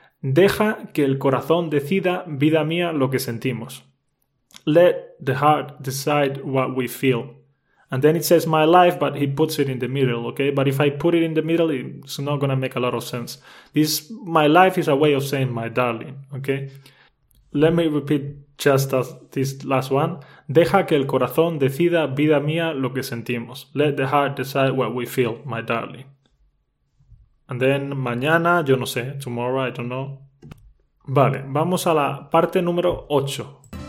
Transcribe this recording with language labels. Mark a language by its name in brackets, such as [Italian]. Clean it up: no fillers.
[Spanish] Deja que el corazón decida, vida mía, lo que sentimos. [English] Let the heart decide what we feel. And then it says my life, but he puts it in the middle, okay? But if I put it in the middle, it's not gonna make a lot of sense. This, my life is a way of saying my darling, okay? Let me repeat just as this last one. [Spanish] Deja que el corazón decida, vida mía, lo que sentimos. [English] Let the heart decide what we feel, my darling. And then, [Spanish] mañana, yo no sé. [English] Tomorrow, I don't know. [Spanish] Vale, vamos a la parte número 8.